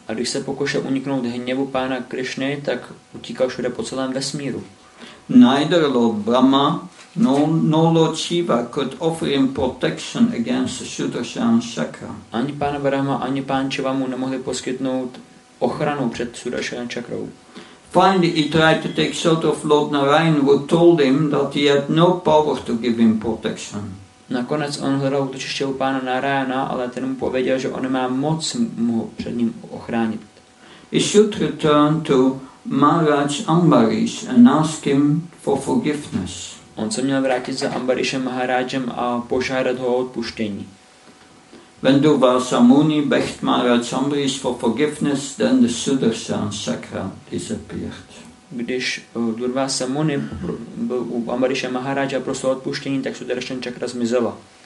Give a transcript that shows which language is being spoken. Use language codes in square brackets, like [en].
[cs] A když se pokoušel uniknout hněvu pána Krishny, tak utíkal všude po celém vesmíru. [en] Neither Lord Brahma nor Lord Shiva could offer him protection against Sudarshan Chakra. [cs] Ani pán Brahma, ani pán Shiva mu nemohli poskytnout ochranu před Sudarshan Chakrou. [en] Finally, he tried to take shelter of Lord Narayan, who told him that he had no power to give him protection. [cs] Nakonec on hledal útočiště u pána Narayana, ale ten mu pověděl, že on nemá moc mu před ním ochránit. [en] He should return to Maharaj Ambarish and ask him for forgiveness. [cs] On se měl vrátit za Ambarishem Maharajem a požádat ho o odpuštění. [en] When Durvasa Muni begged Maharaj Ambarish for forgiveness, then the Sudarshan Chakra disappeared. [cs] Když Durvasa Muni byl u Ambarisha Maharaja a prosil odpuštění, tak Sudarshan Chakra zmizela.